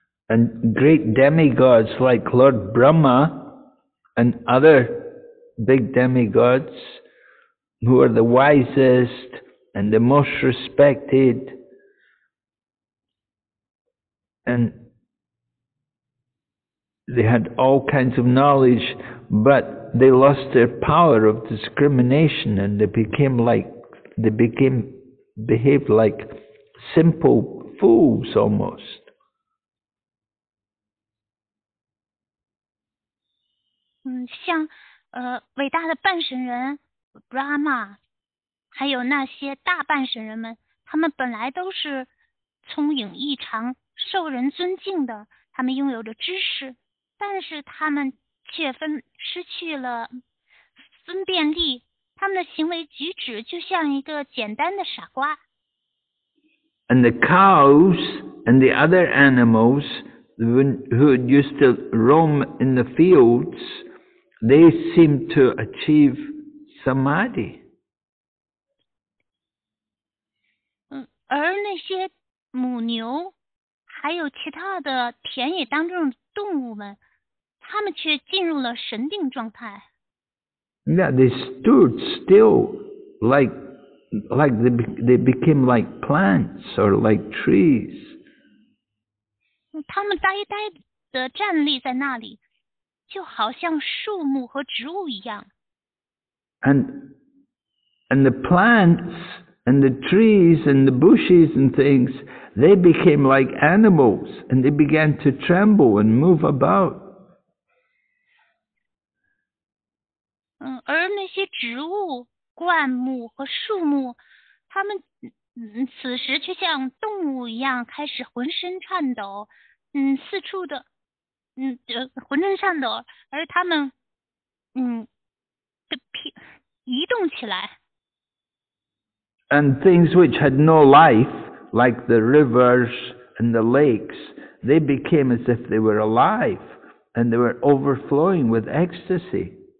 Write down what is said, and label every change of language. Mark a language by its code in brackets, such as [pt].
[en] And great demigods like Lord Brahma and other big demigods who are the wisest and the most respected and they had all kinds of knowledge, but they lost their power of discrimination and behaved like simple fools almost. [zh] 像伟大的半神人 Brahma, 还有那些大半神人们，他们本来都是聪颖异常、受人尊敬的，他们拥有着知识。但是他们却失去了分辨力，他们的行为举止就像一个简单的傻瓜。 [en] And the cows and the other animals who used to roam in the fields, they seemed to achieve samadhi. [zh] 而那些母牛，还有其他的田野当中的动物们。他们却进入了神定状态。 [en] Yeah, they stood still like they became like plants or like trees. [zh] 他们呆呆地站立在那里，就好像树木和植物一样。 [en] And the plants and the trees and the bushes and things, they became like animals and they began to tremble and move about. [zh] 而那些植物、灌木和树木，它们此时却像动物一样开始浑身颤抖，四处的，浑身颤抖，而它们，移动起来。 [en] And things which had no life, like the rivers and the lakes, they became as if they were alive, and they were overflowing with ecstasy.